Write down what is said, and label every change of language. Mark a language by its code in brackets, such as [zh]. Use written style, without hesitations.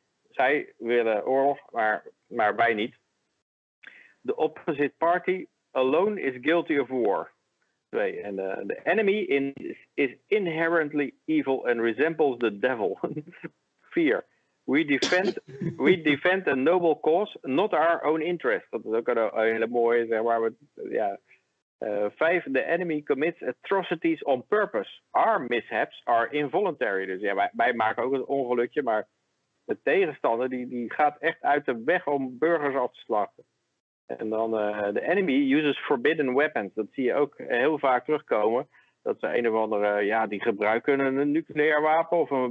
[nl] Zij willen oorlog, maar wij niet. [en] The opposite party alone is guilty of war. 2, and the enemy is inherently evil and resembles the devil. 4, we defend a noble cause, not our own interest. [nl] Dat is ook een hele mooie, zeg maar. [en] 5, the enemy commits atrocities on purpose. Our mishaps are involuntary. [nl] Dus ja, wij maken ook een ongelukje, maar de tegenstander die gaat echt uit de weg om burgers af te slachten. En dan [en] the enemy uses forbidden weapons. [nl] Dat zie je ook heel vaak terugkomen. Dat ze een of andere, ja, die gebruiken een nucleair wapen.